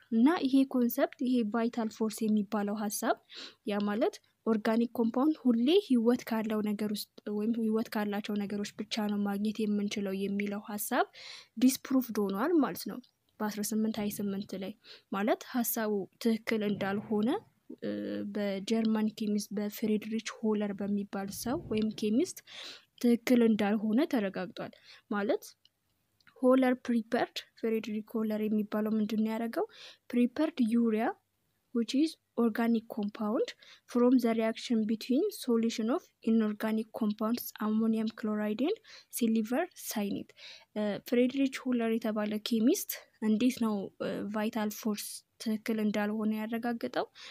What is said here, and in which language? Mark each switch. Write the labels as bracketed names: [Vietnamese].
[Amharic] እና ይሄ ኮንሰፕት ይሄ ቫይታል ፎርስ የሚባለው ሐሳብ ያ ማለት ኦርጋኒክ ኮምፓውንድ ሁሌ ህይወት ካለው ነገር ውስጥ ወይም ህይወት ካላቸው ነገሮች ብቻ ነው ማግኘት የምንችለው የሚለው ሐሳብ ዲስፕሩቭድ ሆኗል ማለት ነው በ1828 ላይ። ማለት ሐሳቡ ትክክል እንዳልሆነ በጀርመን ኬሚስት በፍሪድሪች ሆለር በሚባል ሰው ወይም ኬሚስት ትክክል እንዳልሆነ ተረጋግጧል። ማለት ሆለር ፕሪፐርድ ፍሪድሪች ሆለር የሚባለው ምንድን ነው ያደረገው? [English] ፕሪፐርድ ዩሪያ which is organic compound from the reaction between solution of inorganic compounds ammonium chloride and silver cyanide. [Amharic] ፍሪድሪች ሆለር የተባለ ኬሚስት እንዴት ነው ቫይታል ፎርስ ትክክል እንዳልሆነ ያረጋግጠው?